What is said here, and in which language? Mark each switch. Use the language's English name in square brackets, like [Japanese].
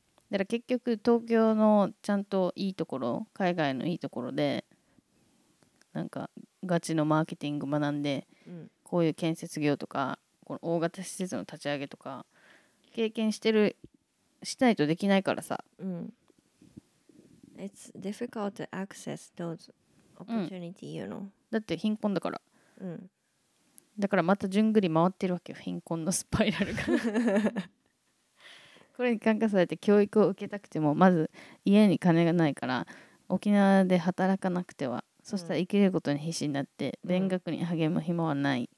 [Japanese] だから結局東京のちゃんといいところ、海外のいいところでなんかガチのマーケティング学んで、うん、こういう建設業とかこの大型施設の立ち上げとか経験してる、しないとできないからさ、 [English] うん、It's difficult to access those opportunity, you know. [Japanese] だって貧困だから。うん。だからまたじゅんぐり回ってるわけよ、貧困のスパイラルが。これに感化されて教育を受けたくても、まず家に金がないから沖縄で働かなくては、そしたら生きることに必死になって、勉学に励む暇はない、